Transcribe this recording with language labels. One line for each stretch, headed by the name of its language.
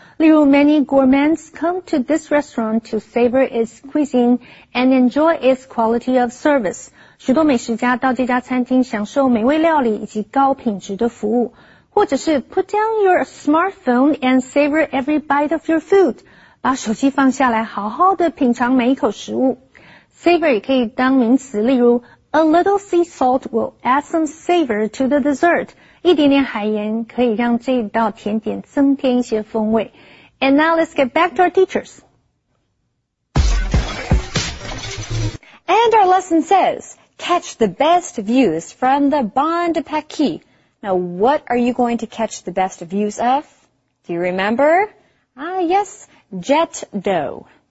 Chinese: 例如
English: ，many gourmands come to this restaurant to savor its cuisine and enjoy its quality of service。
Chinese: 许多美食家到这家餐厅享受美味料理以及高品质的服务。或者是
English: put down your smartphone and savor every bite of your food。
Chinese: 把手机放下来，好好的品尝每一口食物。
English: Savor
Chinese: 也可以当名词，例如
English: a little sea salt will add some savor to the dessert.
Chinese: 一点点海盐可以让这道甜点增添一些风味。
English: And now let's get back to our teachers. And our lesson says, catch the best views from the Bond Paqui. Now, what are you going to catch the best views of? Do you remember? Ah, yes, Jet Do.